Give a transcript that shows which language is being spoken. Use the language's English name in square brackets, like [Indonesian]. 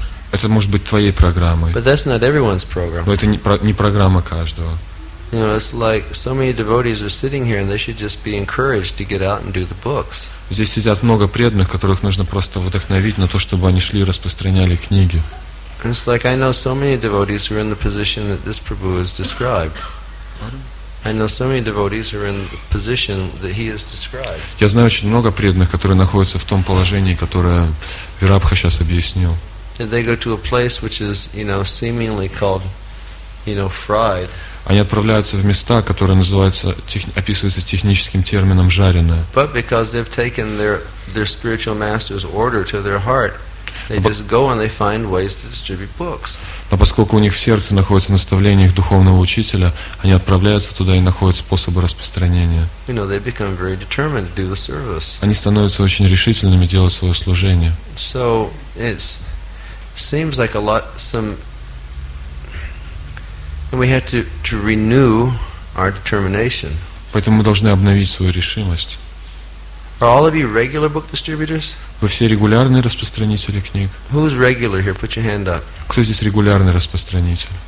[Russian] Это может быть твоей программой. [English] But that's not everyone's program. [Russian] Но это не программа каждого. [English] You know, it's like so many devotees are sitting here and they should just be encouraged to get out and do the books. [Russian] Здесь сидят много преданных, которых нужно просто вдохновить на то, чтобы они шли и распространяли книги. [English] It's like I know so many devotees who are in the position that this Prabhu has described. I know so many devotees who are in the position that he has described. [Russian] Я знаю очень много преданных, которые находятся в том положении, которое Вирабха сейчас объяснил. [English] And they go to a place which is, you know, seemingly called, you know, fried. [Russian] Они отправляются в места, которые называются, описываются техническим термином жареное. [English] But because they've taken their spiritual master's order to their heart, they just go and they find ways to distribute books. [Russian] Но поскольку у них в сердце находится наставление их духовного учителя, они отправляются туда и находят способы распространения. [English] You know, they become very determined to do the service. [Russian] Они становятся очень решительными делать свое служение. [English] So it's seems like a lot some and we have to renew our determination. [Russian] Поэтому мы должны обновить свою решимость. [English] Are all of you regular book distributors? [Russian] Вы все регулярные распространители книг? [English] Who's regular here? Put your hand up. [Russian] Кто здесь регулярный распространитель?